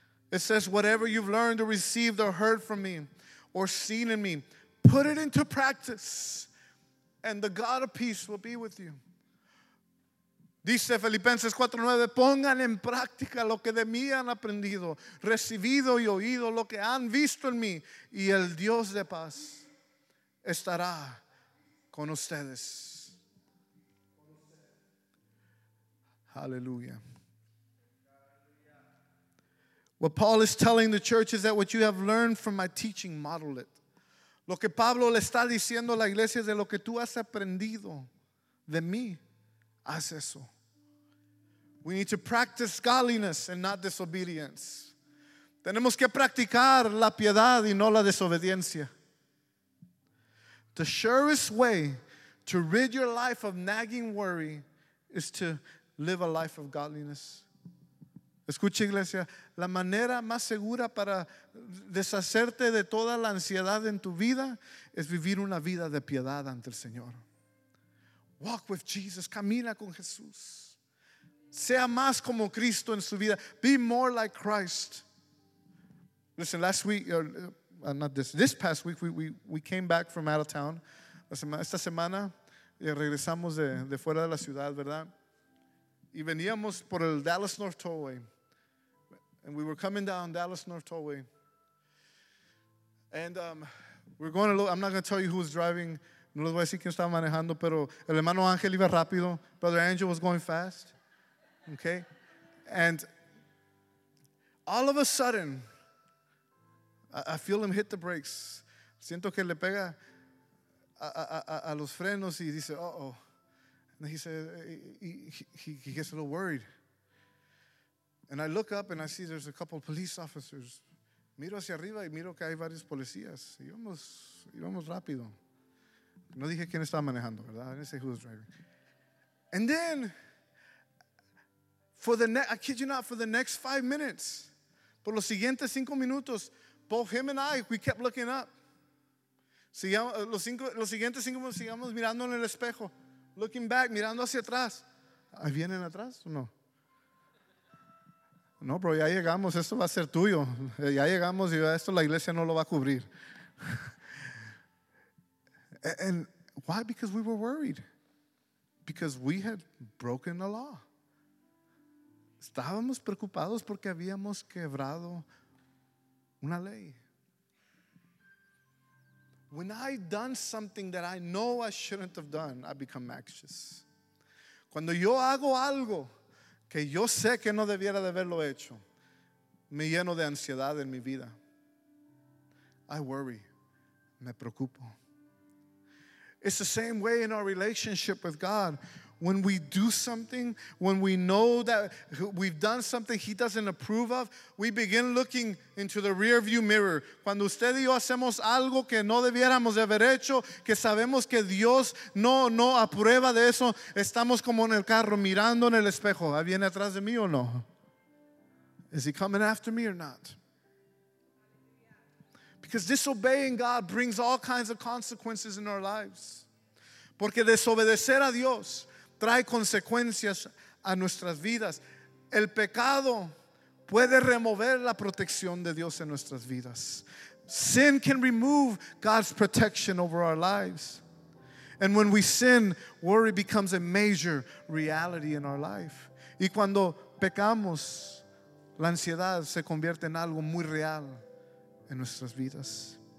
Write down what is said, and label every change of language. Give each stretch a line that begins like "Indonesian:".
English: It says, whatever you've learned or received or heard from me or seen in me, put it into practice and the God of peace will be with you.
Spanish: Dice Filipenses 4:9, pongan en práctica lo que de mí han aprendido, recibido y oído, lo que han visto en mí, y el Dios de paz estará con ustedes.
English: Hallelujah. What Paul is telling the church is that what you have learned from my teaching, model it.
Spanish: Lo que Pablo le está diciendo a la iglesia es de lo que tú has aprendido de mí, haz eso.
English: We need to practice godliness and not disobedience.
Spanish: Tenemos que practicar la piedad y no la desobediencia.
English: The surest way to rid your life of nagging worry is to live a life of godliness.
Spanish: Escucha, iglesia, la manera más segura para deshacerte de toda la ansiedad en tu vida es vivir una vida de piedad ante el Señor.
English: Walk with Jesus,
Spanish: camina con Jesús. Sea más como Cristo en su vida.
English: Be more like Christ. Listen, last week, this past week, we came back from out of town.
Spanish: Esta semana regresamos de fuera de la ciudad, ¿verdad? Y veníamos por el Dallas North Tollway.
English: And we were coming down Dallas North Tollway. And we're going to look, I'm not going to tell you who was driving.
Spanish: No les voy a decir quién estaba manejando, pero el hermano Ángel iba rápido.
English: Brother Angel was going fast. Okay, and all of a sudden, I feel him hit the brakes.
Spanish: Siento que le pega a los frenos y dice, uh-oh.
English: And he said, he gets a little worried. And I look up and I see there's a couple of police officers.
Spanish: Miro hacia arriba y miro que hay varios policías. Íbamos rápido. No dije quién estaba manejando, ¿verdad?
English: I didn't say who was driving. And then, for the next 5 minutes,
Spanish: por los siguientes 5 minutos,
English: both him and I, we kept looking up.
Spanish: Los siguientes 5 minutos, sigamos mirando en el espejo,
English: looking back,
Spanish: mirando hacia atrás. ¿Ahí vienen atrás o no? No, bro, ya llegamos, esto va a ser tuyo. Ya llegamos y esto la iglesia no lo va a cubrir.
English: And why? Because we were worried. Because we had broken the law.
Spanish: Estábamos preocupados porque habíamos quebrado una ley.
English: When I've done something that I know I shouldn't have done, I become anxious.
Spanish: Cuando yo hago algo que yo sé que no debiera de haberlo hecho, me lleno de ansiedad en mi vida.
English: I worry.
Spanish: Me preocupo.
English: It's the same way in our relationship with God. When we do something, when we know that we've done something he doesn't approve of, we begin looking into the rearview mirror.
Spanish: Cuando usted y yo hacemos algo que no debiéramos de haber hecho, que sabemos que Dios no aprueba de eso, estamos como en el carro mirando en el espejo. ¿Viene atrás de mí o no?
English: Is he coming after me or not? Because disobeying God brings all kinds of consequences in our lives.
Spanish: Porque desobedecer a Dios trae consecuencias a nuestras vidas. El pecado puede remover la protección de Dios en nuestras vidas.
English: Sin can remove God's protection over our lives. And when we sin, worry becomes a major reality in our life.
Spanish: Y cuando pecamos, la ansiedad se convierte en algo muy real en nuestras vidas.